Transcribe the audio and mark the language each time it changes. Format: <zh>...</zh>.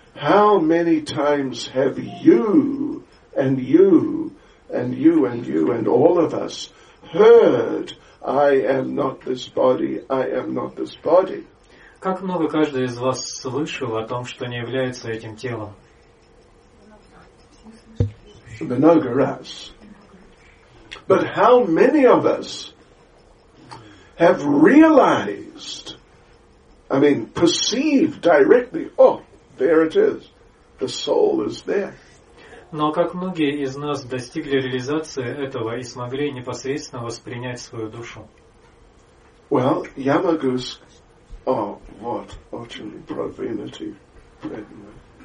<en>How many times have you and you and you and you and all of us heard, I am not this body, I am not this body?</en> <ru>Как много каждый из вас слышал о том, что не является этим телом? Много раз.</ru> <en>But how many of us have realized, perceived directly, there it is, the soul is there?</en> <ru>Но как многие из нас достигли реализации этого и смогли непосредственно воспринять свою душу? Well, я могу сказать, очень продвинутый предмет.</ru>